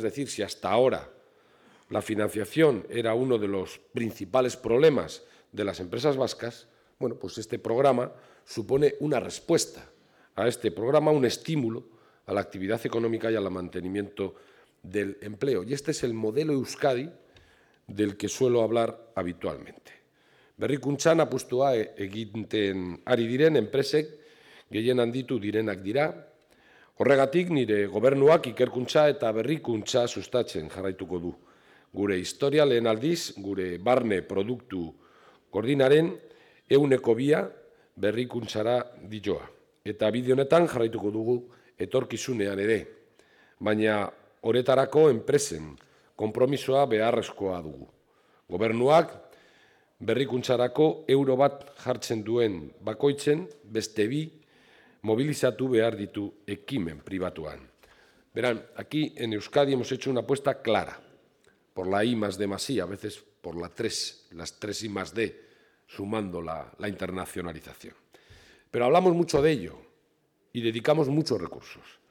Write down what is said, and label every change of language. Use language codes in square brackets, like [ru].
[es] Es decir, si hasta ahora la financiación era uno de los principales problemas de las empresas vascas, bueno, pues este programa supone una respuesta a este programa, un estímulo a la actividad económica y al mantenimiento del empleo. Y este es el modelo Euskadi del que suelo hablar habitualmente. [eu] Berrikuntzan apustua egiten ari diren enpresek gehien handitu direnak dira. Horregatik nire gobernuak ikerkuntza eta berrikuntza sustatzen jarraituko du. Gure historia lehen aldiz, gure barne produktu gordinaren 100%-a berrikuntzara dijoa. Eta bide honetan jarraituko dugu etorkizunean ere, baina horretarako enpresen konpromisoa beharrezkoa dugu. Gobernuak berrikuntzarako euro bat jartzen duen bakoitzen, beste bi movilizatu behar ditu ekimen pribatuan. [es] Verán, aquí en Euskadi hemos hecho una apuesta clara por la I más D más I, a veces por la 3, las 3 I más D, sumando la internacionalización. Pero hablamos mucho de ello y dedicamos muchos recursos.